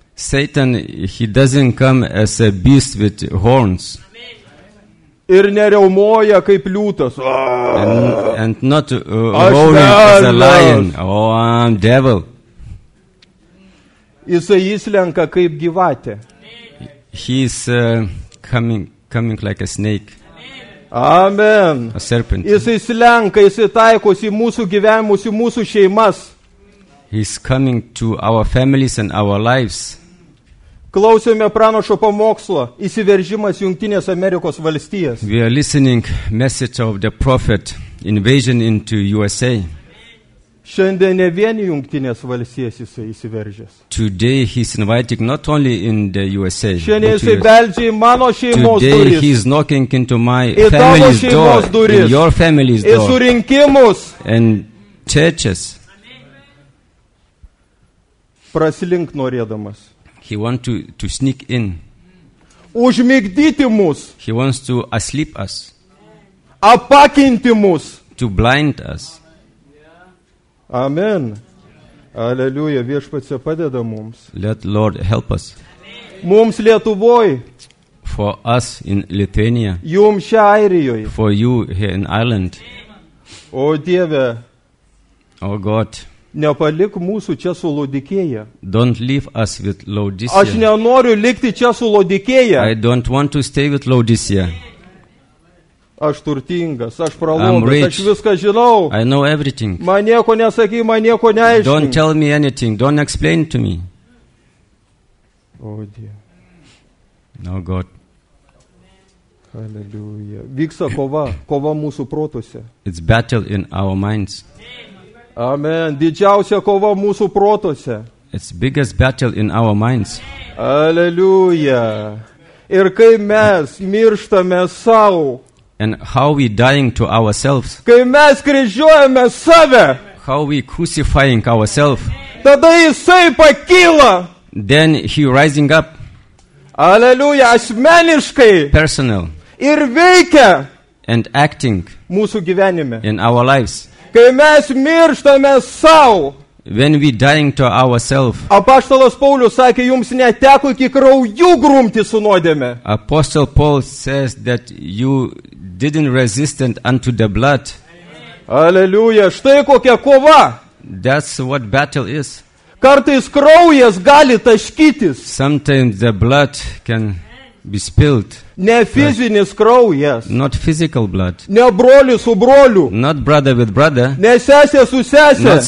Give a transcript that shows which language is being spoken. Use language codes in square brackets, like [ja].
[en] Satan, he doesn't come as a beast with horns. [lt] Ir nereumoja kaip liūtas. [en] And not roaring as a lion. Oh, I'm devil. [lt] Jisai įslenka kaip gyvatė. [en] He's coming like a snake. Amen. A serpent. [lt] Jisai slenka, jisai taikosi mūsų gyvenimus, į mūsų šeimas. [en] He's coming to our families and our lives. [lt] Klausėme pranašo pamokslo įsiveržimas Jungtinės Amerikos valstijas. [en] We are listening message of the prophet invasion into USA. [lt] Šiandien ne vien Jungtinės valstijas jisai įsiveržęs. [en] Today he's inviting not only in the USA. [lt] Šiandien jisai beldžia į mano šeimos duris. [en] Today he's knocking into my family's door. In your family's door. [lt] Į surinkimus. [en] And churches. [lt] Prasilink norėdamas. [en] He wants to sneak in. [lt] Užmigdyti mus. [en] He wants to asleep us. [lt] Apakinti mus. [en] To blind us. [lt] Amen. Aleliuja, viešpatie padeda mums. [en] Let Lord help us. [lt] Mums Lietuvoj. [en] For us in Lithuania. [lt] Jums čia Airijoje. [en] For you here in Ireland. [lt] O Dieve. [en] O God. [lt] Nepalik mūsų čia su Laodikėja. [en] Don't leave us with Laodicea. [lt] Aš nenoriu likti čia su Laodikėja. [en] I don't want to stay with Laodicea. [lt] Aš turtingas, aš pralobęs, aš viską žinau. [en] I know everything. [lt] Man nieko nesaky, man nieko neaiškink. [en] Don't tell me anything, don't explain to me. [lt] O Dieve. [en] No God. Hallelujah. [lt] Vyksta kova mūsų protuose. [en] It's battle in our minds. Amen. [lt] Didžiausia kova mūsų protuose. [en] It's biggest battle in our minds. [lt] Aleluja. Ir kai mes mirštame savo. [en] And how we dying to ourselves. [lt] Kai mes kryžiuojame save. [en] How we crucifying ourselves. [lt] Tada jisai pakyla. [en] Then he rising up. [lt] Aleluja. Asmeniškai. [en] Personal. [lt] Ir veikia. [en] and acting [lt] mūsų gyvenime. [en] In our lives. [lt] Kai mes mirštame sau. [en] When we dying to ourselves. [lt] Apaštalas Paulius sakė, jums neteko iki krauju grumti su nuodėme. [en] Apostle Paul says that you didn't resist unto the blood. [lt] Aleliuja, štai kokia kova. [en] That's what battle is. [lt] Kartais kraujas gali taškytis. [en] Sometimes the blood can be spilled. [lt] Ne fizinis kraujas. [en] Not physical blood. [lt] Ne brolis su broliu. [en] Not brother with brother. [lt] Ne sesė su sesė.